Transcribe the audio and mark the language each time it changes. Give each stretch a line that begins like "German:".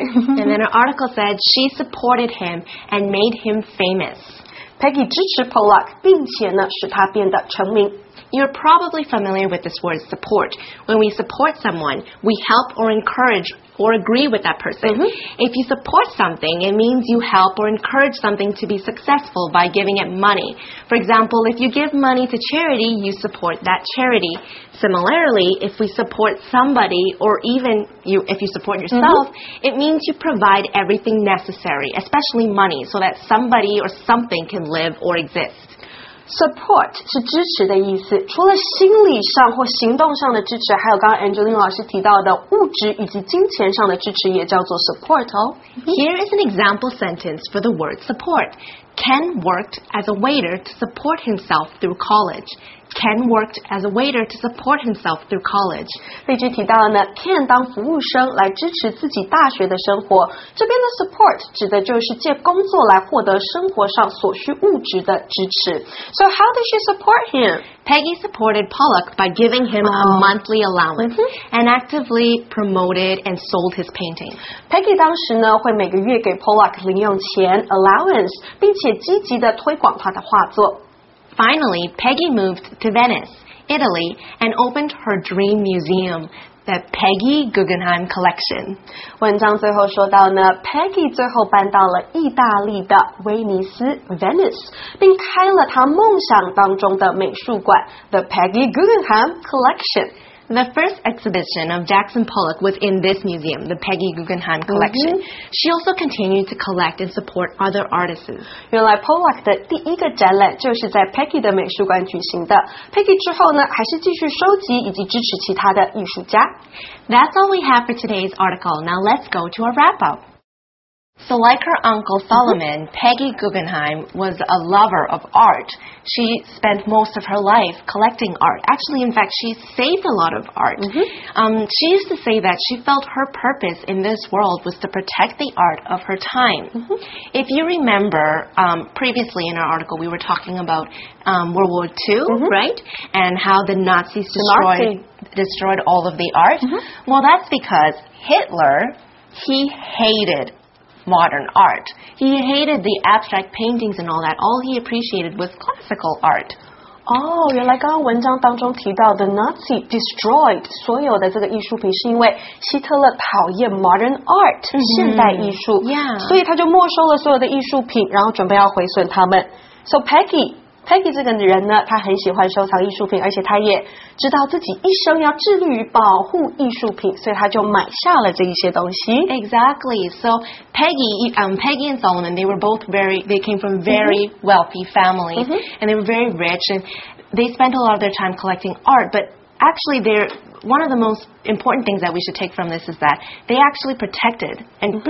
English: And then an article said she supported him and made him famous.
Chinese: Peggy 支持 Pollock, 并且呢使他变得成名。
English: You're probably familiar with this word support. When we support someone, we help or encourage or agree with that person. Mm-hmm. If you support something, it means you help or encourage something to be successful by giving it money. For example, if you give money to charity, you support that charity. Similarly, if we support somebody or even you, if you support yourself, mm-hmm. it means you provide everything necessary, especially money, so that somebody or something can live or exist.
Chinese: Support 是支持的意思，除了心理上或行动上的支持，还有刚刚 Angeline 老师提到的物质以及金钱上的支持也叫做 support 哦。
English: Here is an example sentence for the word support. Ken worked as a waiter to support himself through college. Ken worked as a waiter to support himself through college.
Chinese: 例句提到呢 ,Ken 当服务生来支持自己大学的生活。这边的 support 指的就是借工作来获得生活上所需物质的支持。
English: So how did she support him? Peggy supported Pollock by giving him a monthly allowance and actively promoted and sold his painting.
Chinese: Peggy 当时呢会每个月给 Pollock 零用钱 allowance, 并且积极地推广他的画作。
English: Finally, Peggy moved to Venice, Italy, and opened her dream museum, the Peggy Guggenheim Collection.
Chinese: 文章最后说到呢 ,Peggy 最后搬到了意大利的威尼斯 ,Venice, 并开了她梦想当中的美术馆 ,the Peggy Guggenheim Collection.
English: The first exhibition of Jackson Pollock was in this museum, the Peggy Guggenheim Collection. Mm-hmm. She also continued to collect and support other artists.
Chinese: 原来 Pollock 的第一个展览就是在 Peggy 的美术馆举行的。 Peggy 之后呢，还是继续收集以及支持其他的艺术家。
English: That's all we have for today's article. Now let's go to our wrap-up. So like her uncle Solomon, Peggy Guggenheim was a lover of art. She spent most of her life collecting art. Actually, in fact, she saved a lot of art. Mm-hmm. She used to say that she felt her purpose in this world was to protect the art of her time. Mm-hmm. If you remember, previously in our article, we were talking aboutWorld War II, mm-hmm. right? And how the Nazis destroyed all of the art. Mm-hmm. Well, that's because Hitler, he hated art. Modern art. He hated the abstract paintings and all that. All he appreciated was classical art.
Chinese: Oh, 原来刚刚文章当中提到
English: the Nazi destroyed
Chinese: 所有的这个艺术品是因为希特勒讨厌
English: modern art、
Chinese: mm-hmm. 现代艺术 Yeah. 所以他就没收了所有的艺术品然后准备要毁损他们
English: So Peggy
Chinese: 这个人呢她很喜欢收藏艺术品而且她也知道自己一生要致力于保护艺术品所以她就买下了这一些东西
English: Exactly, so Peggy and Solomon they were both they came from very wealthy families、 mm-hmm. and they were very rich and they spent a lot of their time collecting art but actually they're one of the most important things that we should take from this is that they actually protected and,、mm-hmm.